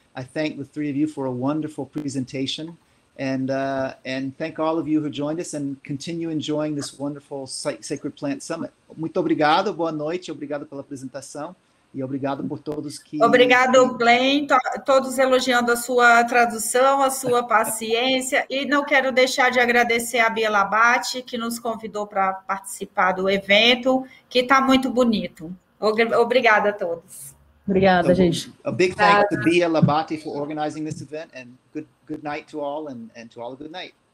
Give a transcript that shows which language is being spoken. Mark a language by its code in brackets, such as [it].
[en] I thank the three of you for a wonderful presentation. And thank all of you who joined us and continue enjoying this wonderful Sacred Plant Summit. [pt] Muito obrigado, boa noite, obrigado pela apresentação e obrigado por todos que... Obrigado, Glenn, todos elogiando a sua tradução, a sua paciência. E não quero deixar de agradecer a Bia Labate, que nos convidou para participar do evento, que está muito bonito. Obrigada a todos. Obrigada, gente. [en] A big thanks to Bia Labate for organizing this event, and good night to all, and to all a good night.